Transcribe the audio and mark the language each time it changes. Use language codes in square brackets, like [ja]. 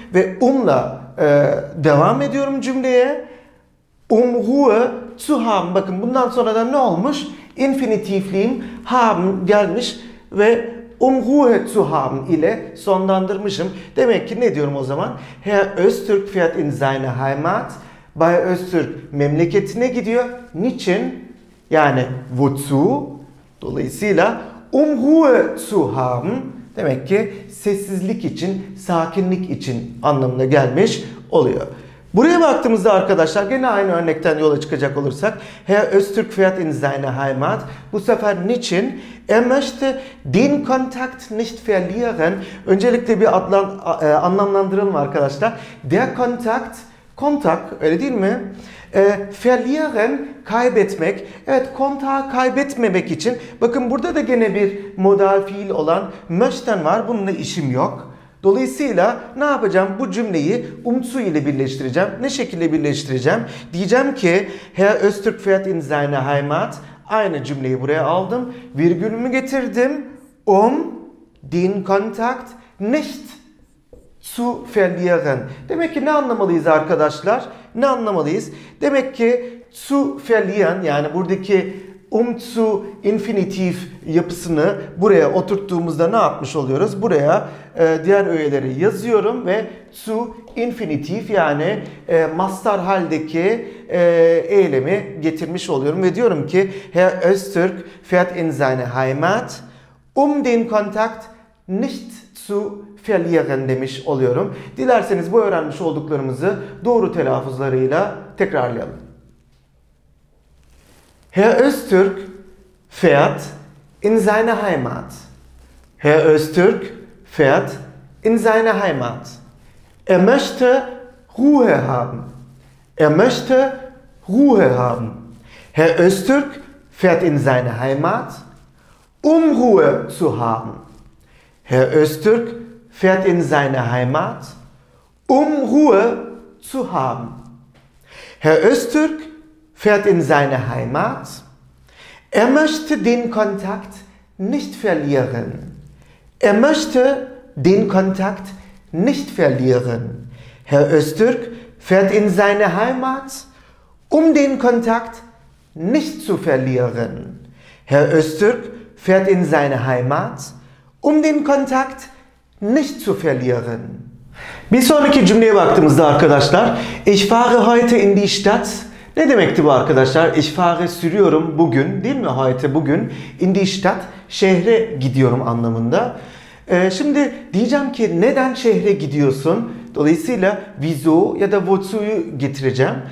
[tr] Ve umla devam ediyorum cümleye. [de] Ruhe zu haben. [tr] Bakın bundan sonra da ne olmuş? İnfinitifliğim haben gelmiş ve [de] Ruhe zu haben [tr] ile sonlandırmışım. Demek ki ne diyorum o zaman? [de] Herr Öztürk fährt in seine Heimat. [tr] Bay Öztürk memleketine gidiyor. Niçin? Yani wozu? Dolayısıyla [de] Ruhe zu haben. [tr] Demek ki sessizlik için, sakinlik için anlamına gelmiş oluyor. Buraya baktığımızda arkadaşlar gene aynı örnekten yola çıkacak olursak [de] Herr Öztürk fährt in seine Heimat. [tr] Bu sefer niçin? [de] Er möchte den Kontakt nicht verlieren. [tr] Öncelikle bir anlamlandıralım arkadaşlar. Der Kontakt, Kontakt öyle değil mi? Verlieren, kaybetmek. Evet, kontağı kaybetmemek için. Bakın burada da gene bir modal fiil olan möchten var. Bununla işim yok. Dolayısıyla ne yapacağım? Bu cümleyi umzu ile birleştireceğim. Ne şekilde birleştireceğim? Diyeceğim ki [de] Herr Öztürk fährt in seine Heimat. [tr] Aynı cümleyi buraya aldım. Virgülümü getirdim. [de] Den Kontakt nicht zu verlieren. [tr] Demek ki ne anlamalıyız arkadaşlar? Ne anlamalıyız? Demek ki zu verlieren, yani buradaki umzu infinitif yapısını buraya oturttuğumuzda ne yapmış oluyoruz? Buraya diğer öğeleri yazıyorum ve zu infinitif, yani mastar haldeki eylemi getirmiş oluyorum. Ve diyorum ki [de] Herr Öztürk fährt in seine Heimat den Kontakt nicht zu verlieren [tr] demiş oluyorum. Dilerseniz bu öğrenmiş olduklarımızı doğru telaffuzlarıyla tekrarlayalım. [de] Herr Öztürk fährt in seine Heimat. Herr Öztürk fährt in seine Heimat. Er möchte Ruhe haben. Er möchte Ruhe haben. Herr Öztürk fährt in seine Heimat, Ruhe zu haben. Herr Öztürk fährt in seine Heimat, Ruhe zu haben. Herr Öztürk fährt in seine Heimat. Er möchte den Kontakt nicht verlieren. Er möchte den Kontakt nicht verlieren. Herr Öztürk fährt in seine Heimat, den Kontakt nicht zu verlieren. Herr Öztürk fährt in seine Heimat, um den Kontakt nicht zu verlieren. [tr] Bir sonraki cümleye baktığımızda arkadaşlar, [de] ich fahre heute in die Stadt. [tr] Ne demekti bu arkadaşlar? Ich fahre sürüyorum bugün, değil mi? Heute, bugün [de] in die Stadt, [tr] şehre gidiyorum anlamında. Şimdi diyeceğim ki neden şehre gidiyorsun? Dolayısıyla wieso ya da wozu'yu getireceğim.